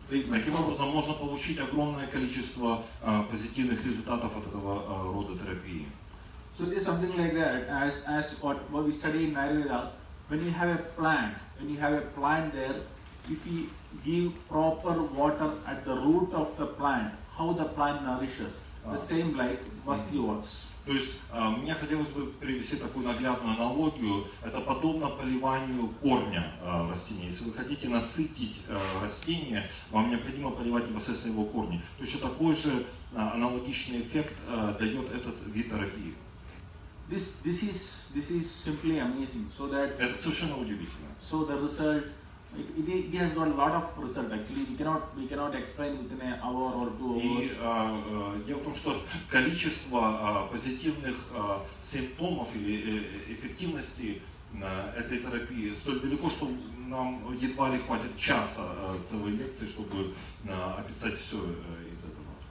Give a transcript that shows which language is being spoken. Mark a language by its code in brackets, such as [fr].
[ru] Таким образом, можно получить огромное количество позитивных результатов от этого рода терапии. [en] So it is something like that, as what we study in Ayurveda. When you have a plant there, if you give proper water at the root of the plant, how the plant nourishes. The same like Bhakti works. [ru] То есть мне хотелось бы привести такую наглядную аналогию. Это подобно поливанию корня растения. Если вы хотите насытить растение, вам необходимо поливать непосредственно его корни. То есть такой же аналогичный эффект дает этот вид терапии. [en] This is simply amazing. So that [ru] это совершенно удивительно. [en] So the result. It has got a lot of result. Actually, we cannot explain within an hour or two hours. [ru] И дело в том, что количество позитивных симптомов или эффективности этой терапии столь велико, что нам едва ли хватит часа целой лекции, чтобы описать все из этого.